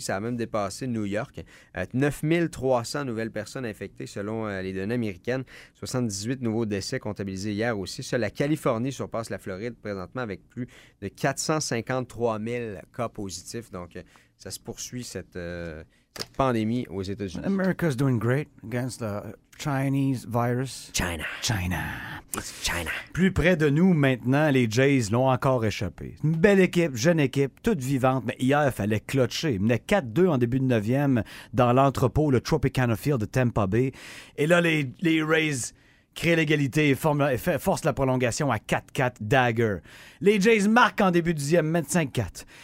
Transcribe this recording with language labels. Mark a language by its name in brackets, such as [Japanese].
[French] Ça a même dépassé New York. 9300 nouvelles personnes infectées selon les données américaines. 78 nouveaux décès comptabilisés hier aussi. Seule la Californie surpasse la Floride présentement avec plus de 453 000 cas positifs. Donc, ça se poursuit cette pandémie aux États-Unis. [English] America's doing great against the Chinese virus. China. China. It's China. [French] Plus près de nous maintenant, les Jays l'ont encore échappé. Une belle équipe, jeune équipe, toute vivante, mais hier, il fallait clutcher. Il menait 4-2 en début de 9e dans l'entrepôt, le Tropicana Field de Tampa Bay. Et là, les Rays créent l'égalité et forcent la prolongation à 4-4, Dagger. Les Jays marquent en début du 10e, 25-4.